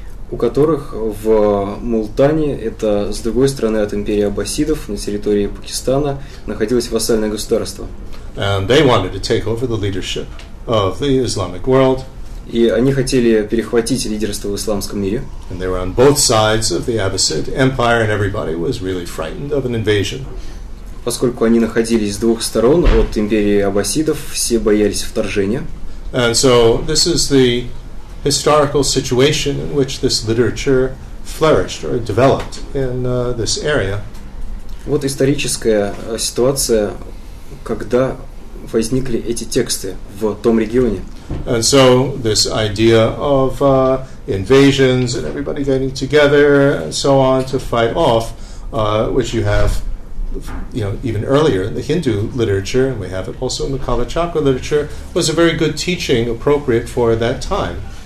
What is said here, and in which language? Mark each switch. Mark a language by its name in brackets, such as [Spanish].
[Russian] У которых в Мултане, это с другой стороны от империи аббасидов, на территории Пакистана, находилось вассальное государство. [English] And they wanted to take over the leadership of the Islamic world. [Russian] И они хотели перехватить лидерство в исламском мире. [English] And they were on both sides of the Abbasid Empire, and everybody was really frightened of an invasion. [Russian] Поскольку они находились с двух сторон от империи аббасидов, все боялись вторжения. [English] And so this is the historical situation in which this literature flourished or developed in this area. [Russian] Вот историческая ситуация, когда возникли эти тексты в том регионе. [English] And so this idea of invasions and everybody getting together and so on to fight off, which you have, even earlier in the Hindu literature, and we have it also in the Kalachakra literature, was a very good teaching appropriate for that time.